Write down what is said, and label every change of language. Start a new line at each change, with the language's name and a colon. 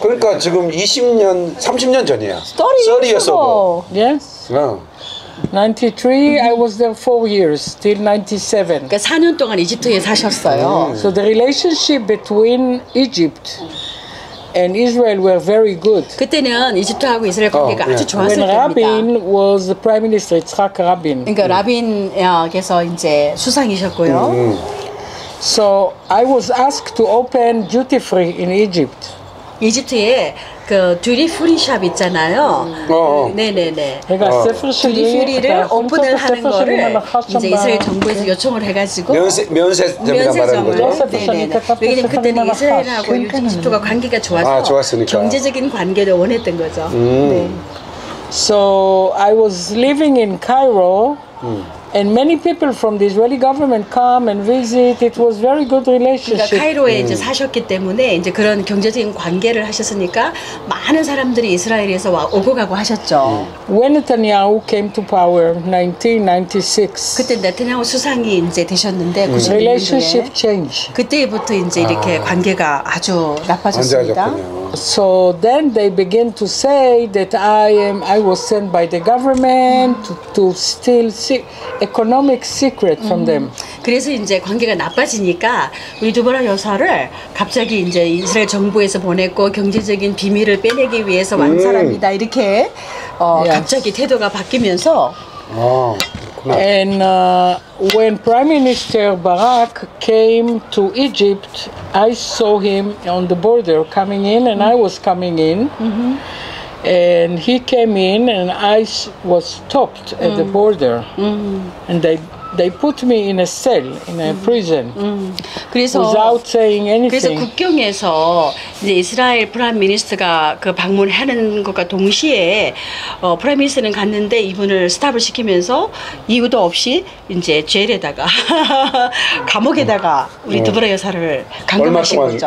Korean: 그러니까 지금 20년, 30년 전이야.
English: 30 years ago. Yes. 93, I was there 4 years, till 97.
Korean: 그러니까 4년 동안 이집트에 사셨어요.
English: So the relationship between Egypt and Israel were very good.
Korean: 그때는 이집트하고 이스라엘 관계가 아주 좋았을 때입니다.
English: When Rabin was the prime minister, Yitzhak Rabin.
Korean: 그러니까 라빈께서 이제 수상이셨고요.
English: So I was asked to open duty free in Egypt.
Korean: 이집트에 그 듀티 프리 샵 있잖아요. 네네네. 제가 듀티 프리를 오픈을 하는 거를 이제 이스라엘 정부에서 요청을 해가지고 면세점이라는 거죠. 왜냐면 그때는 이스라엘하고 이집트가 관계가 좋아서 좋았으니까. 경제적인 관계를 원했던 거죠.
English: So I was living in Cairo. And many people from the Israeli government come and visit. It was very good relationship.
Korean: 카이로에 이제 사셨기 때문에 이제 그런 경제적인 관계를 하셨으니까 많은 사람들이 이스라엘에서 오고 가고 하셨죠.
English: When Netanyahu came to power, 1996.
Korean: 그때 네타냐후 수상이 이제 되셨는데
English: relationship change.
Korean: 그때부터 이제 이렇게 관계가 아주 나빠졌습니다.
English: So then they begin to say that I was sent by the government to steal economic secret from them.
Korean: 그래서 이제 관계가 나빠지니까 우리 두보라 여사를 갑자기 이제 이스라엘 정부에서 보냈고 경제적인 비밀을 빼내기 위해서 온 사람이다 이렇게 갑자기 태도가 바뀌면서.
English: And when Prime Minister Barak came to Egypt, I saw him on the border coming in, and I was coming in. And he came in, and I was stopped at the border. And they put me in a cell, in a prison, without saying anything.
Korean: 그래서 국경에서 이제 이스라엘 프라임 미니스트가 그 방문하는 것과 동시에 프라임 미니스트는 갔는데 이분을 스탑을 시키면서 이유도 없이 이제 죄에다가 감옥에다가 우리 두브라 여사를 감금하신 거죠.